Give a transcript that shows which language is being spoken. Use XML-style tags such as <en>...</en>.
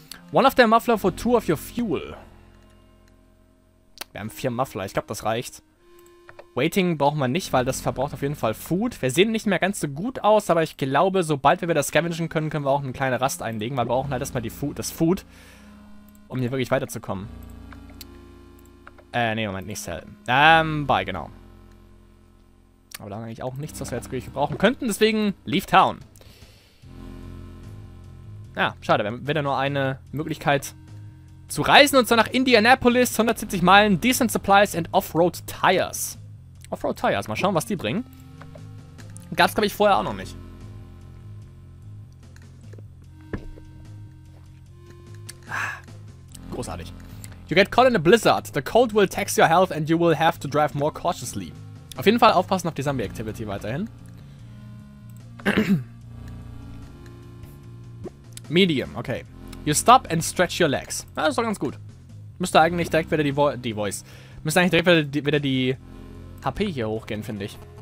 <en>One of the muffler for two of your fuel.</en> <de>Wir haben 4 Muffler. Ich glaube, das reicht. Waiting brauchen wir nicht, weil das verbraucht auf jeden Fall Food. Wir sehen nicht mehr ganz so gut aus, aber ich glaube, sobald wir wieder scavengen können, können wir auch eine kleine Rast einlegen, weil wir brauchen halt erstmal das Food, um hier wirklich weiterzukommen. Nee, Moment, nicht Cell. Bye, genau. Aber da haben wir eigentlich auch nichts, was wir jetzt wirklich brauchen könnten, deswegen Leave Town. Ja, schade, wir haben wieder nur eine Möglichkeit zu reisen und zwar nach Indianapolis, 170 Meilen, Decent Supplies and Offroad Tires. Offroad Tires, mal schauen, was die bringen. Gab's, glaube ich, vorher auch noch nicht. Großartig.</de> <en>You get caught in a blizzard. The cold will tax your health and you will have to drive more cautiously.</en> <de>Auf jeden Fall aufpassen auf die Zombie-Activity weiterhin.</de> <en>Medium, okay. You stop and stretch your legs.</en> <de>Ja, das ist doch ganz gut. Müsste eigentlich direkt wieder die Voice. Müsste eigentlich direkt wieder die HP hier hochgehen, finde ich.</de>